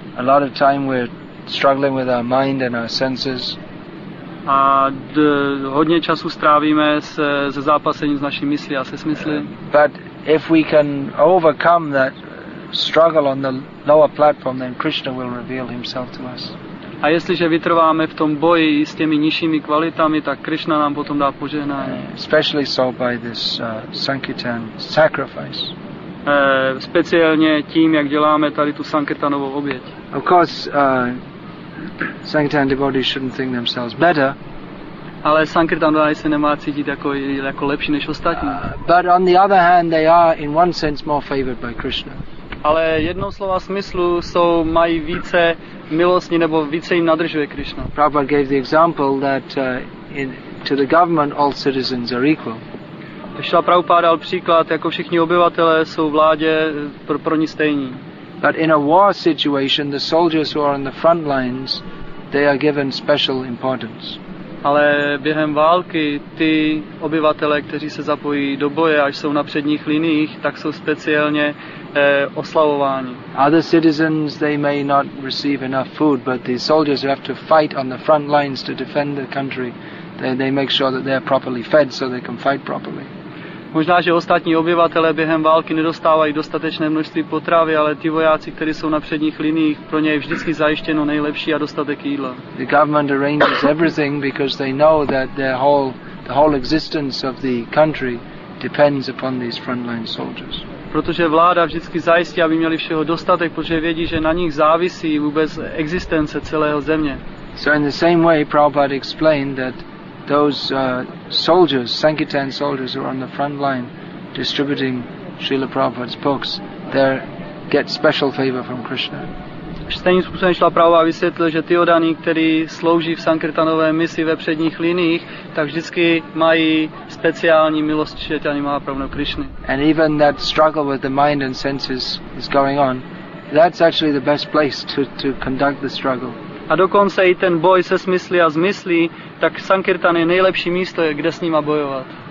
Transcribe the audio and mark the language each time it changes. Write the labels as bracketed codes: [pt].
[en] A lot of time we're struggling with our mind and our senses. [cs] A hodně času strávíme se zápasením s naší myslí a se smysly. [en] But if we can overcome that struggle on the lower platform, then Krishna will reveal himself to us. [cs] A jestliže vytrváme v tom boji s těmi nižšími kvalitami, tak Krishna nám potom dá požehnání. [en] Especially so by this Sankirtan sacrifice. [cs] Speciálně tím, jak děláme tady tu Sankirtanovou oběť. [en] Of course, Sankirtan devotees shouldn't think themselves better. [cs] Ale Sankirtan devotees se nemá cítit jako lepší než ostatní. [en] But on the other hand, they are in one sense more favored by Krishna. [cs] Ale jednou slova smyslu jsou mají více milostní nebo více jim nadržuje Krishna. [en] Prabhupada gave the example that in to the government all citizens are equal. [cs] Šila Prabhupáda dal příklad, jako všichni obyvatelé jsou vládě pro ní stejní. [en] But in a war situation, the soldiers who are on the front lines, they are given special importance. [cs] Ale během války ty obyvatelé, kteří se zapojí do boje a jsou na předních liniích, tak jsou speciálně oslavováni. [en] Other citizens, they may not receive enough food, but the soldiers who have to fight on the front lines to defend the country, they make sure that they are properly fed so they can fight properly. [cs] Možná, že ostatní obyvatelé během války nedostávají dostatečné množství potravy, ale ti vojáci, kteří jsou na předních liniích, pro ně je vždycky zajištěno nejlepší a dostatek jídla. [en] The government arranges everything because they know that the whole existence of the country depends upon these frontline soldiers. [cs] Protože vláda vždycky zajistí, aby měli všeho dostatek, protože vědí, že na nich závisí vůbec existence celého země. [en] So in the same way, Prabhupada explained that those soldiers, Sankirtan soldiers who are on the front line distributing Srila Prabhupada's books, they get special favor from Krishna. [cs] Stejným způsobem Srila Prabhupada vysvětlil, že ty oddaní, kteří slouží v Sankirtanové misi ve předních liniích, tak vždycky mají speciální milost Čaitanya Mahaprabhu Krishny. [en] And even that struggle with the mind and senses is going on, that's actually the best place to conduct the struggle. [cs] A dokonce i ten boj se smyslí a zmyslí, tak Sankirtan je nejlepší místo, kde s nima bojovat.